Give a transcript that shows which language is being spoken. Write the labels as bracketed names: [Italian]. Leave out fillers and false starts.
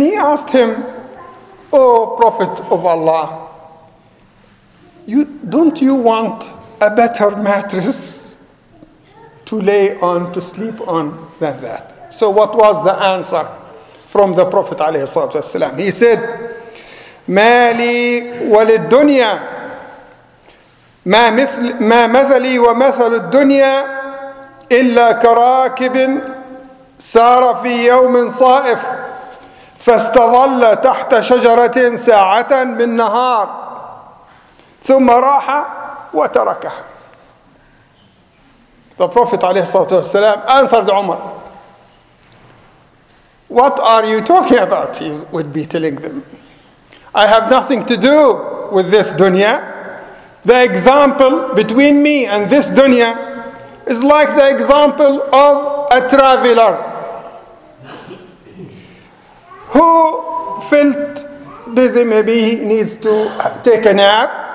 [English] And he asked him, oh Prophet of Allah, don't you want a better mattress to lay on, to sleep on than that? So what was the answer from the Prophet [Arabic] عليه الصلاة والسلام? [English] He said, [Arabic] مالي وللدنيا ما مثلي ومثل الدنيا إلا كراكب سار في يوم صائف فاستظل تحت شجرة ساعة من نهار ثم راح وتركه. [English] The Prophet [Arabic] عليه الصلاة والسلام [English] answered Umar, what are you talking about? He would be telling them, I have nothing to do with this dunya. The example between me and this dunya is like the example of a traveler who felt dizzy, maybe he needs to take a nap.